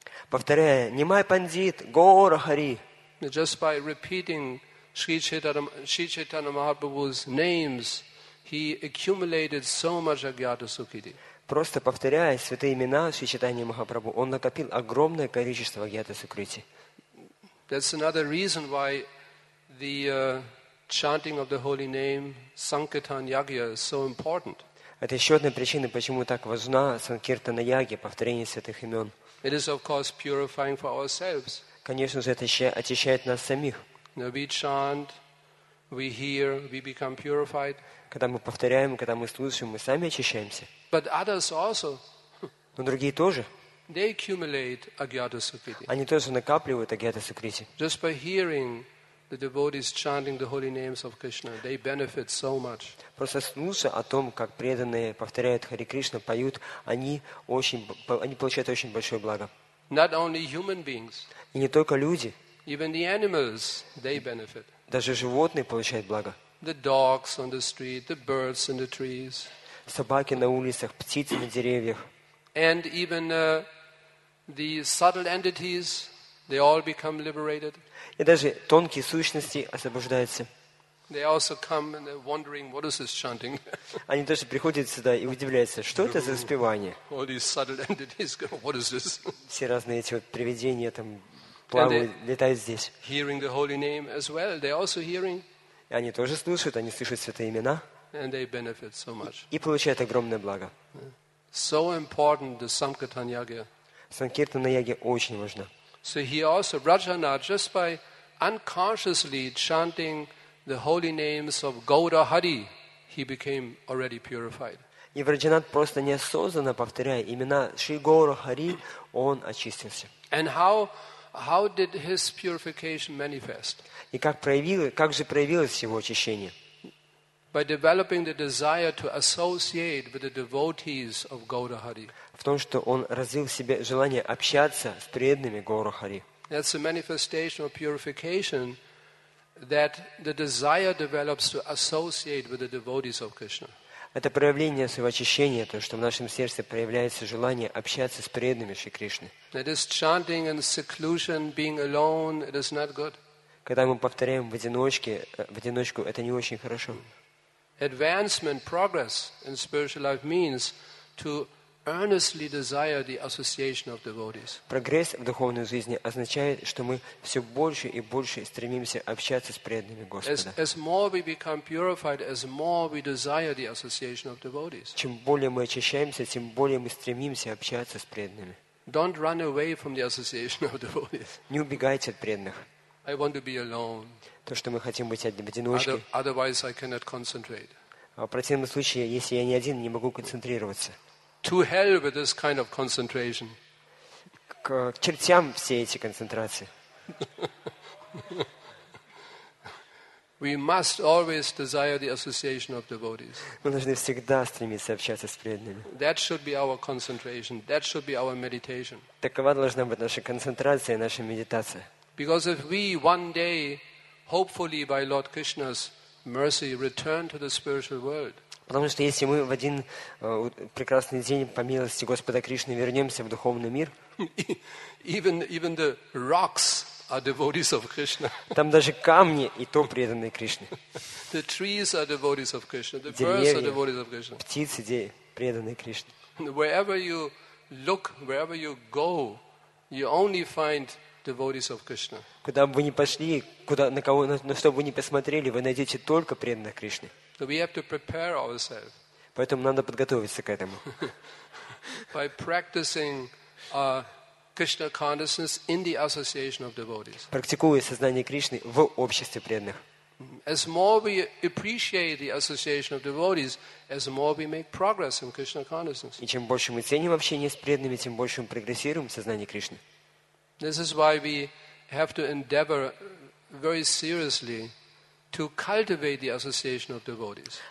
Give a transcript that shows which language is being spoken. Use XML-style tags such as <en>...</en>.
<ru>Повторяя Nimai Pandit Gaura Hari.</ru> <en>Just by repeating Shri Chaitanya Mahaprabhu's names, he accumulated so much Agyata Sukriti.</en> <ru>Просто повторяя святые имена Шри Чайтаньи Махапрабху, он накопил огромное количество Агьята Сукрити.</ru> <en>That's another reason why the chanting of the holy name Sankirtan Yagya is so important.</en> <ru>Это еще одна причина, почему так важна Санкиртана Ягья, повторение святых имен.</ru> <en>It is of course purifying for ourselves.</en> <ru>Конечно же, это очищает нас самих.</ru> <en>we chant, we hear, we become purified.</en> <ru>Когда мы повторяем, когда мы слушаем, мы сами очищаемся.</ru> <en>But others also.</en> <ru>Но другие тоже.</ru> <en>They accumulate agyata sukriti.</en> <ru>Они тоже накапливают агьята сукрити.</ru> <en>Just by hearing the devotees chanting the holy names of Krishna, they benefit so much.</en> <ru>Просто слушая о том, как преданные повторяют Хари Кришна, поют, они получают очень большое благо.</ru> <en>Not only human beings.</en> <ru>И не только люди.</ru> <en>Even the animals, they benefit.</en> <ru>Даже животные получают благо.</ru> <en>The dogs on the street, the birds in the trees.</en> <ru>Собаки на улицах, птицы на деревьях.</ru> <en>And even the subtle entities, they all become liberated.</en> <ru>И даже тонкие сущности освобождаются.</ru> <en>They also come and they're wondering, what is this chanting?</en> <ru>Они тоже приходят сюда и удивляются, что это за распевание?</ru> <en>All these subtle entities, what is this?</en> <ru>Все разные эти вот привидения там плавают, летают здесь.</ru> <en>Hearing the holy name as well, they're also hearing.</en> <ru>И они тоже слушают, они слышат святые имена.</ru> <en>And they benefit so much.</en> <ru>И получают огромное благо.</ru> <en>So important the Sankirtan Yagya.</en> <ru>Санкиртана Яги очень важна.</ru> <en>So he also Rajana just by unconsciously chanting the holy names of Gaura Hari, he became already purified.</en> <ru>И Враджанат просто неосознанно повторяя имена Шри Гаура Хари, он очистился.</ru> <en>And how did his purification manifest?</en> <ru>И как же проявилось его очищение?</ru> <en>By developing the desire to associate with the devotees of Gaura Hari.</en> <ru>В том, что он развил в себе желание общаться с преданными Гаура Хари.</ru> <en>That's a manifestation of purification that the desire develops to associate with the devotees of Krishna.</en> <ru>Это проявление своего очищения, то, что в нашем сердце проявляется желание общаться с преданными Шри Кришны.</ru> <en>That is chanting in seclusion, being alone, it is not good.</en> <ru>Когда мы повторяем в одиночку, это не очень хорошо.</ru> <en>Advancement, progress in spiritual life means to earnestly desire the association of devotees.</en> <ru>Прогресс в духовной жизни означает, что мы все больше и больше стремимся общаться с преданными Господа.</ru> <en>As more we become purified, as more we desire the association of devotees.</en> <ru>Чем более мы очищаемся, тем более мы стремимся общаться с преданными.</ru> <en>Don't run away from the association of devotees.</en> <ru>Не убегайте от преданных.</ru> <en>I want to be alone.</en> <ru>То, что мы хотим быть одни в одиночке.</ru> <en>Otherwise, I cannot concentrate.</en> <ru>В противном случае, если я не один, не могу концентрироваться.</ru> <en>To hell with this kind of concentration.</en> <ru>К чертям все эти концентрации.</ru> <en>We must always desire the association of devotees.</en> <ru>Мы должны всегда стремиться общаться с преданными.</ru> <en>That should be our concentration. That should be our meditation.</en> <ru>Такова должна быть наша концентрация, наша медитация.</ru> <en>Because if we one day, hopefully by Lord Krishna's mercy, return to the spiritual world.</en> <ru>Потому что если мы в один прекрасный день по милости Господа Кришны вернемся в духовный мир,</ru> <en>even the rocks are devotees of Krishna.</en> <ru>Там даже камни и то преданные Кришне.</ru> <en>The trees are devotees of Krishna. The birds are devotees of Krishna.</en> <ru>Птицы преданные Кришне.</ru> <en>Wherever you look, wherever you go, you only find devotees of Krishna.</en> <ru>Куда бы вы ни пошли, куда на кого, на что бы вы ни посмотрели, вы найдете только преданных Кришны.</ru> <en>So we have to prepare ourselves.</en> <ru>Поэтому надо подготовиться к этому.</ru> <en>By practicing Krishna consciousness in the association of devotees.</en> <ru>Практикуя сознание Кришны в обществе преданных.</ru> <en>As more we appreciate the association of devotees, as more we make progress in Krishna consciousness.</en> <ru>И чем больше мы ценим общение с преданными, тем больше мы прогрессируем в сознании Кришны.</ru> <en>This is why we have to endeavor very seriously to cultivate the association of devotees.</en>